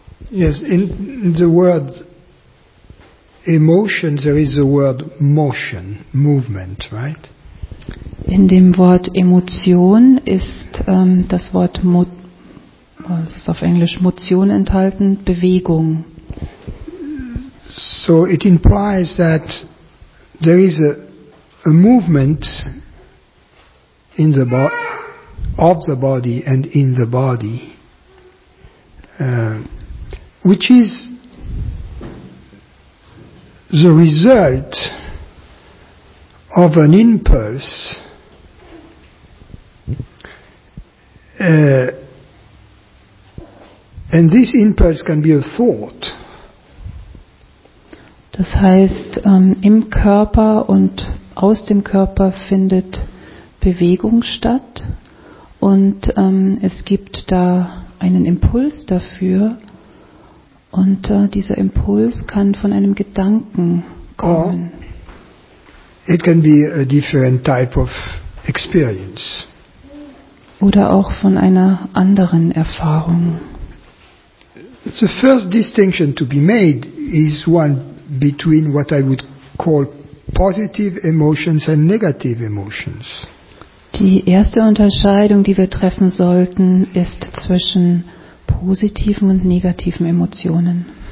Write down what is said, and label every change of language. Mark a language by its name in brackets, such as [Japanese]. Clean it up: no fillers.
[English] Yes, in the word emotion, there is the word motion, movement, right? [German] In dem Wort Emotion ist das Wort ist auf Englisch Motion enthalten, Bewegung. [English] So it implies that there is a movement in the of the body and in the body, which is the result of an impulse and this impulse can be a thought. [German] Das heißt, im Körper und aus dem Körper findet Bewegung statt und es gibt da einen Impuls dafür und dieser Impuls kann von einem Gedanken kommen. [English] Or it can be a different type of experience. [German] Oder auch von einer anderen Erfahrung. [English] The first distinction to be made is one between what I would call positive emotions and negative emotions. [German] Die erste Unterscheidung, die wir treffen sollten, ist zwischen positiven und negativen Emotionen.